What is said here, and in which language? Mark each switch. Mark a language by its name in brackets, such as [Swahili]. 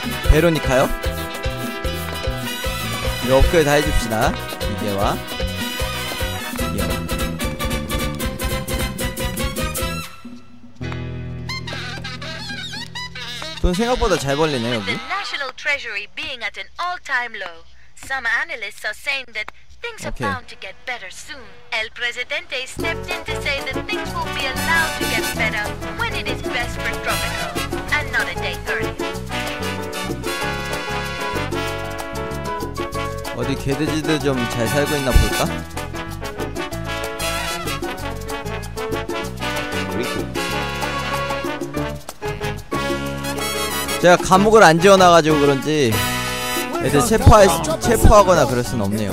[Korean] 베로니카요? 이거 업그레이드 다 해줍시다. 기계와 돈 생각보다 잘 벌리네 여기. [English] The National Treasury being at an all-time low. Some analysts are saying that things are bound to get better soon. El presidente stepped in to say that things will be allowed to get better when it is best for tropical and not a day early. [Korean] 어디 개돼지들 좀 잘 살고 있나 볼까? 제가 감옥을 안 지어놔가지고 그런지 애들 체포하거나 그럴 순 없네요.